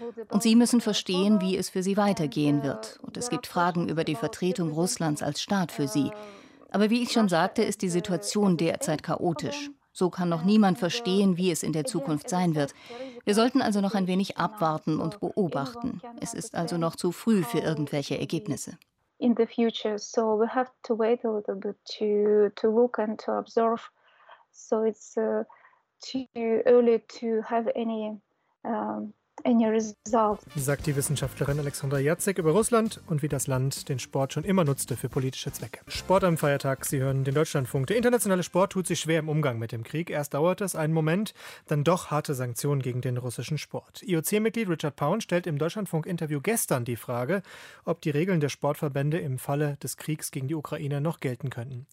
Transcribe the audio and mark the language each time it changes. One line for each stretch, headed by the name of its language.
German: Und sie müssen verstehen, wie es für sie weitergehen wird. Und es gibt Fragen über die Vertretung Russlands als Staat für sie. Aber wie ich schon sagte, ist die Situation derzeit chaotisch. So kann noch niemand verstehen, wie es in der Zukunft sein wird. Wir sollten also noch ein wenig abwarten und beobachten. Es ist also noch zu früh für irgendwelche Ergebnisse.
English: In the future, so we have to wait a little bit to look and to observe. So it's too early to have any results.
German: Sagt die Wissenschaftlerin Alexandra Jacek über Russland und wie das Land den Sport schon immer nutzte für politische Zwecke. Sport am Feiertag, Sie hören den Deutschlandfunk. Der internationale Sport tut sich schwer im Umgang mit dem Krieg. Erst dauert es einen Moment, dann doch harte Sanktionen gegen den russischen Sport. IOC-Mitglied Richard Pound stellt im Deutschlandfunk-Interview gestern die Frage, ob die Regeln der Sportverbände im Falle des Kriegs gegen die Ukraine noch gelten könnten.